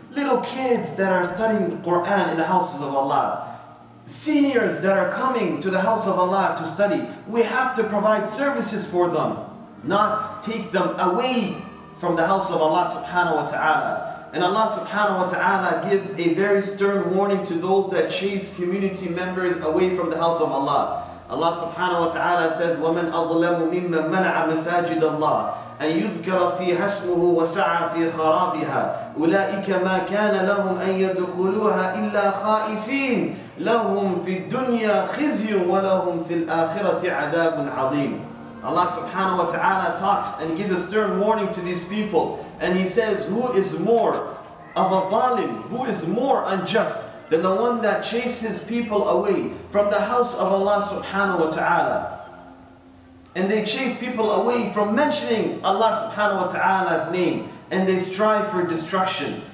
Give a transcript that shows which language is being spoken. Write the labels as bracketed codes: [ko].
[en] Little kids that are studying the Quran in the houses of Allah, seniors that are coming to the house of Allah to study, we have to provide services for them, not take them away from the house of Allah subhanahu wa ta'ala. And Allah subhanahu wa ta'ala gives a very stern warning to those that chase community members away from the house of Allah. Allah subhanahu wa ta'ala says, [ar] وَمَنْ أَظْلَمُ مِمَّنْ مَنَعَ مَسَاجِدَ اللَّهِ أَنْ يُذْكَرَ فِيهَا اسْمُهُ وَسَعَى فِي خَرَابِهَا أُولَئِكَ مَا كَانَ لَهُمْ أَنْ يَدْخُلُوهَا إِلَّا خَائِفِينَ لَهُمْ فِي الدُّنْيَا خِزْيٌ وَلَهُمْ فِي الْآخِرَةِ عَذَابٌ عَظِيمٌ. [en] Allah subhanahu wa ta'ala talks and gives a stern warning to these people. And he says, who is more of a zalim? Who is more unjust than the one that chases people away from the house of Allah subhanahu wa ta'ala? And they chase people away from mentioning Allah subhanahu wa ta'ala's name, and they strive for destruction.